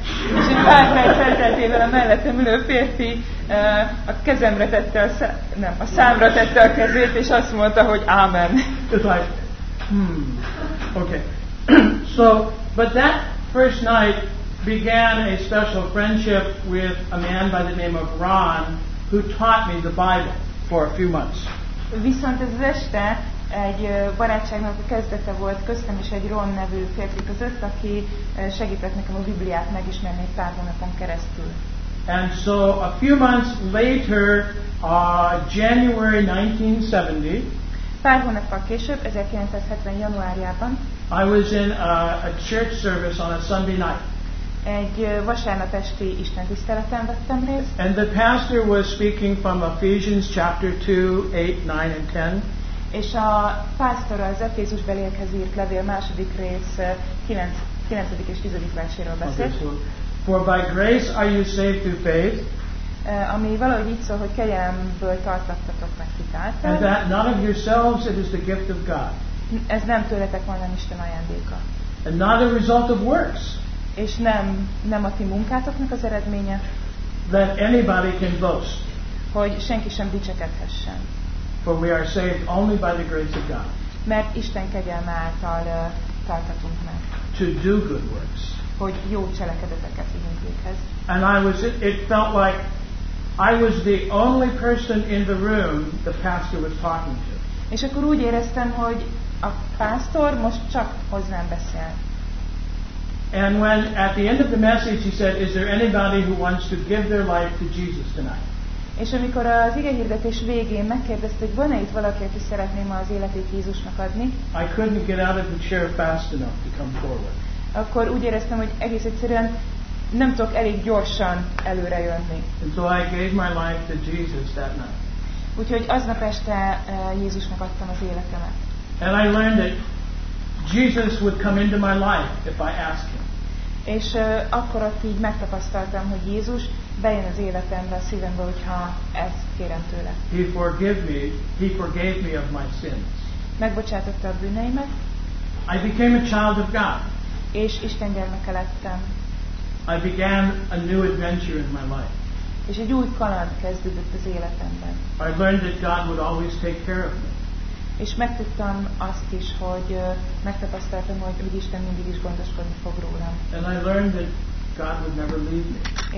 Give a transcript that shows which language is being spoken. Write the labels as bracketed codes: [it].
[hu] És egy pár perc elteltével a mellettem ülő férfi a kezemre tette a számra tette a kezét, és azt mondta, hogy Amen. [en] It's like, okay. So, but that first night began a special friendship with a man by the name of Ron, who taught me the Bible for a few months. [hu] Viszont ez este egy barátságnak a kezdete volt köztem is egy Ron nevű férfi között, aki segített nekem a Bibliát megismerni egy pár hónapon keresztül. [en] And so a few months later, January 1970, [hu] pár hónappal később, 1970 januárjában, [en] I was in a church service on a Sunday night. [hu] Egy vasárnap esti istentiszteleten vettem részt. [en] And the pastor was speaking from Ephesians chapter 2, 8, 9 and 10. [hu] És a pásztor az Efézus beliekhez írt levél második rész 9. és 10. verséről beszélt. [en] Okay, so, for by grace are you saved through faith. [hu] Ami valahogy így szól, hogy kegyelemből tartottatok meg hitáltal. [en] And that not of yourselves, it is the gift of God. [hu] Ez nem tőletek, hanem Isten ajándéka. [en] And not a result of works. [hu] és nem a ti munkátoknak az eredménye, [en] that anybody can boast, [hu] hogy senki sem dicsekedhessen. [en] For we are saved only by the grace of God. [hu] Mert Isten kegyelme által tartatunk meg. [en] To do good works. [hu] Hogy jó cselekedeteket vigyünk véghez. [en] And it felt like I was the only person in the room the pastor was talking to. [hu] És akkor úgy éreztem, hogy a pásztor most csak hozzám beszél. [en] And when at the end of the message he said, is there anybody who wants to give their life to Jesus tonight? [hu] És amikor az igehirdetés végén megkérdezte, hogy van-e itt valaki, aki szeretné ma az életét Jézusnak adni, [en] I couldn't get out of the chair fast enough to come forward. [hu] Akkor úgy éreztem, hogy egész egyszerűen nem tudok elég gyorsan előre jönni. [en] And so I gave my life to Jesus that night. [hu] Úgyhogy aznap este Jézusnak adtam az életemet. [en] And I learned that Jesus would come into my life if I asked him. [hu] És akkor ott így megtapasztaltam, hogy Jézus bejön az életembe, a szívembe, hogyha ezt kérem tőle. [en] He forgave me of my sins. [hu] Megbocsátotta a bűneimet. [en] I became a child of God. [hu] És Isten gyermeke lettem. [en] I began a new adventure in my life. [hu] És egy új kaland kezdődött az életemben. [en] I learned that God would always take care of me. [hu] És megtudtam azt is, hogy megtapasztaltam, hogy Isten mindig is gondoskodni fog rólam. [en] And I learned that God would never leave me.